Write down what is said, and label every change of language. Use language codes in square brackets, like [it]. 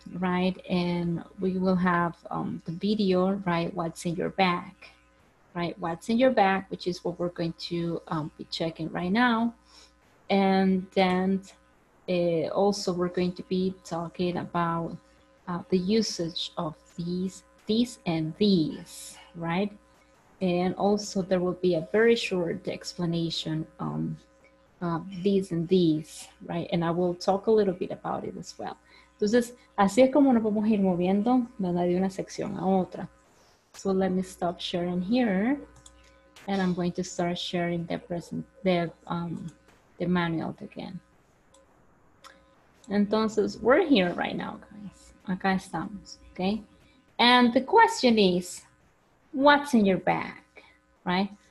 [en] Right, and we will have the video, right, what's in your bag, right, what's in your bag, which is what we're going to be checking right now, and then also we're going to be talking about the usage of these and these, right, and also there will be a very short explanation on these and these, right, and I will talk a little bit about it as well. [es] Entonces, así es como nos vamos a ir moviendo, ¿verdad? De una sección a otra. [en] So let me stop sharing here. And I'm going to start sharing the manual again. [es] Entonces, [en] we're here right now, guys. [es] Acá estamos, [en] okay? And the question is, what's in your bag, right?